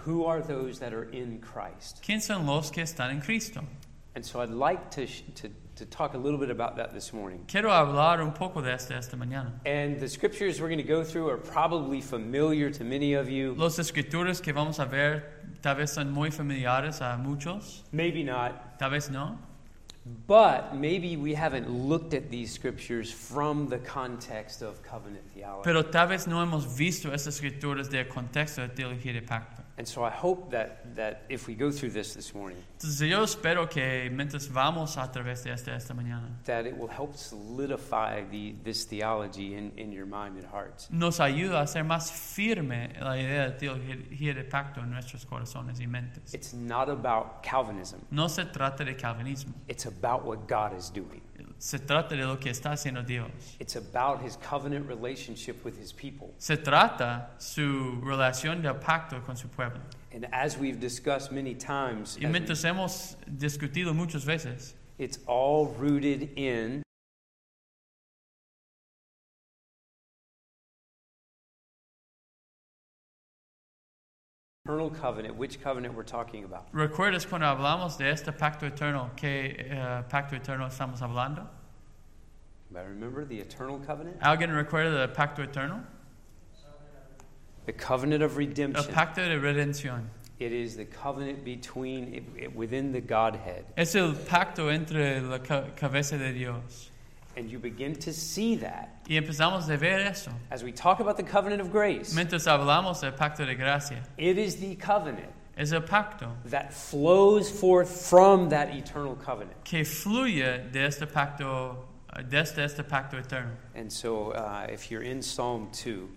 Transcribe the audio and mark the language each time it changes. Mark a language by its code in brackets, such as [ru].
[en] Who are those that are in Christ? [es] ¿Quién son los que están en Cristo? [en] And so I'd like to talk a little bit about that this morning. [es] Quiero hablar un poco de esto esta mañana. [en] And the scriptures we're going to go through are probably familiar to many of you. [es] Los escrituras que vamos a ver tal vez son muy familiares a muchos. [en] Maybe not. [es] Tal vez no. [en] But maybe we haven't looked at these scriptures from the context of covenant theology. [es] Pero tal vez no hemos visto esas escrituras del contexto de teología de pacto. [en] And so I hope that if we go through this morning, [es] entonces yo espero que mientras vamos a través de esta mañana, [en] that it will help solidify this theology in your mind and hearts. [es] Nos ayuda a ser más firme la idea de teología de pacto en nuestros corazones y mentes. [en] It's not about Calvinism. [es] No se trata de Calvinismo. [en] It's about what God is doing. [es] Se trata de lo que está haciendo Dios. [en] It's about his covenant relationship with his people. [es] Se trata su relación de pacto con su pueblo. [en] And as we've discussed many times, [es] y mientras hemos discutido muchas veces, [en] it's all rooted in eternal covenant, which covenant we're talking about. [es] ¿Recuerdas cuando hablamos de este pacto eterno, qué pacto eterno estamos hablando? [en] I remember the eternal covenant. [es] ¿Alguien recuerda el pacto eterno? [en] The covenant of redemption. [es] El pacto de redención. [en] It is the covenant between within the Godhead. [es] Es el pacto entre la cabeza de Dios. [en] And you begin to see that. [es] Y empezamos a ver eso. [en] As we talk about the covenant of grace. [es] Mientras hablamos del pacto de gracia. [en] It is the covenant. [es] Es el pacto. [en] That flows forth from that eternal covenant. [es] Que fluye de este pacto. Desde este pacto eterno. [en] And so, if you're in Psalm 2.